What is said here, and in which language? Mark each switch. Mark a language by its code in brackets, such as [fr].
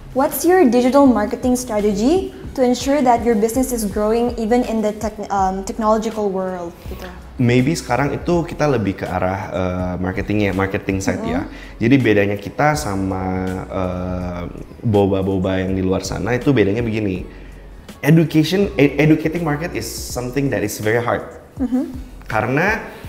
[en] What's your digital marketing strategy to ensure that your business is growing even in the technological world? [id] Gitu. Maybe sekarang itu kita lebih ke arah marketingnya, marketing side ya. Jadi bedanya kita sama boba-boba yang di luar sana itu bedanya begini. [en] Educating market is something that is very hard. [id] Karena